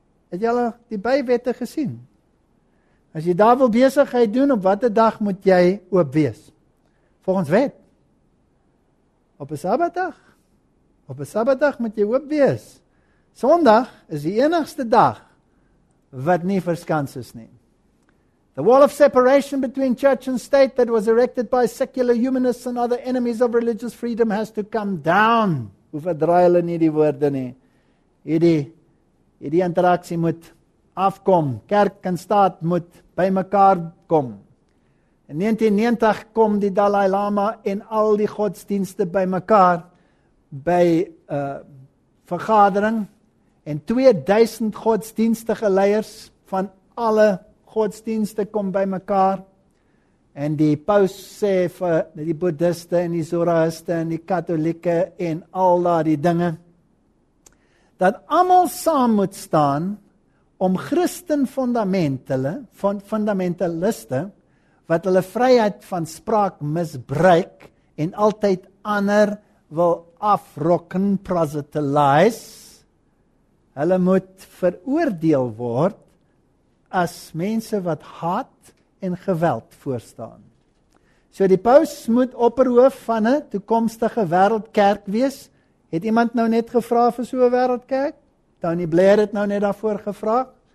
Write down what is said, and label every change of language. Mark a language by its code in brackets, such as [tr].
[af] Het jy al die bywette gesien? As jy daar wil besigheid doen, op watter dag moet jy oop wees? Volgens wet. Op 'n Sabbatdag. Op 'n Sabbatdag moet jy oop wees. Sondag is die enigste dag wat nie verskans is nie. [en] The wall of separation between church and state that was erected by secular humanists and other enemies of religious freedom has to come down. [af] Hoe verdraai hulle nie die woorde nie. Hierdie interaksie moet afkom. Kerk en staat moet by mekaar kom. In 1990 kom die Dalai Lama en al die godsdienste by mekaar by vergadering en 2000 godsdienstige leiers van alle godsdienste kom by mekaar en die paus sê vir die boeddhiste en die zoroaste en die katolieke en al daardie dinge dat almal saam moet staan om Christen fundamentaliste wat hulle vryheid van spraak misbruik en altyd ander wil afrokken, proselytise, hulle moet veroordeel word as mense wat haat en geweld voorstaan. So die paus moet opperhoof van 'n toekomstige wêreldkerk wees. Het iemand nou net gevra vir so 'n wêreldkerk? Tony Blair het nou net daarvoor gevra.